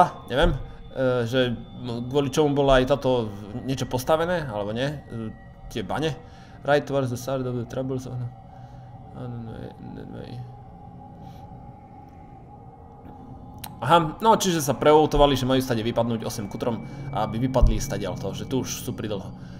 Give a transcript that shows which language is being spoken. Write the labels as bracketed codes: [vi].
[sk] Neviem. Že kvôli čomu bola aj táto niečo postavené, alebo nie. Tie bane? [en] Right towards the start of the trouble zone. I don't know. [sk] Aha, no čiže sa prevoltovali, že majú stade vypadnúť 8 kutrom, aby vypadli stade ale to, že tu už sú pridlho.